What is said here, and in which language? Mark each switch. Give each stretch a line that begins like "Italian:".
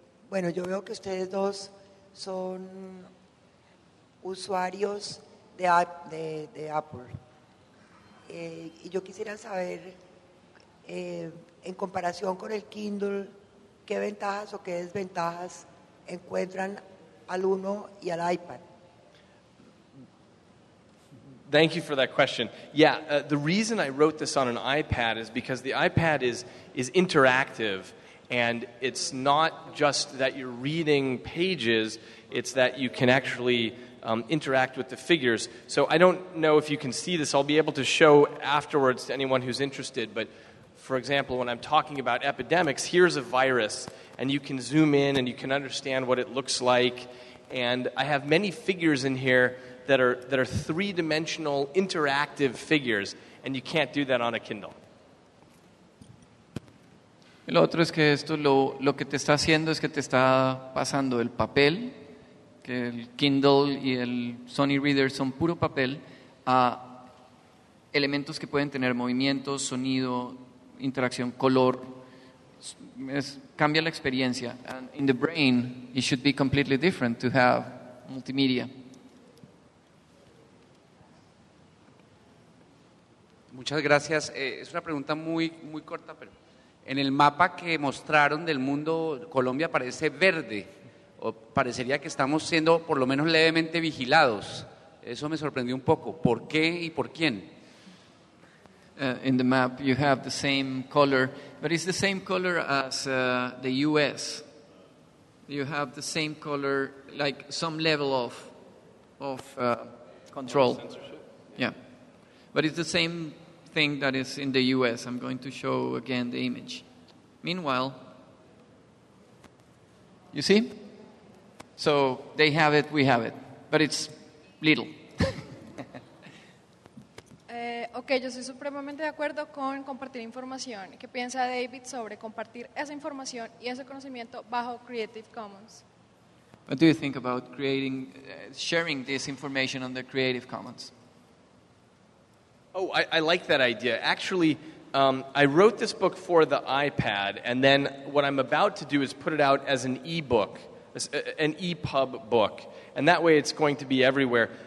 Spanish: Bueno, yo veo que ustedes dos son usuarios de Apple. Y yo quisiera saber, en comparación con el Kindle, ¿qué ventajas o qué desventajas encuentran al uno y al iPad?
English: Thank you for that question. Yeah, the reason I wrote this on an iPad is because the iPad is interactive, and it's not just that you're reading pages, it's that you can actually interact with the figures. So I don't know if you can see this. I'll be able to show afterwards to anyone who's interested. But for example, when I'm talking about epidemics, here's a virus, and you can zoom in and you can understand what it looks like. And I have many figures in here that are three-dimensional interactive figures, and you can't do that on a Kindle.
Spanish: Lo otro es que esto lo que te está haciendo es que te está pasando el papel, que el Kindle y el Sony Reader son puro papel, a elementos que pueden tener movimiento, sonido, interacción, color. Cambia la experiencia.
English: And in the brain, it should be completely different to have multimedia.
Spanish: Muchas gracias. Es una pregunta muy, muy corta, pero en el mapa que mostraron del mundo, Colombia parece verde, o parecería que estamos siendo por lo menos levemente vigilados. Eso me sorprendió un poco. ¿Por qué y por quién?
English: In the map you have the same color, but it's the same color as the US. You have the same color, like some level of control. Censorship. Yeah. But it's the same thing that is in the US. I'm going to show again the image. Meanwhile, you see? So they have it, we have it. But it's little.
Spanish: Okay, yo estoy supremamente de acuerdo con compartir información. ¿Qué piensa David sobre compartir esa información y ese conocimiento bajo Creative Commons?
English: What do you think about creating, sharing this information on the Creative Commons? Oh, I like that idea. Actually, I wrote this book for the iPad, and then what I'm about to do is put it out as an e-book, an EPUB book, and that way it's going to be everywhere.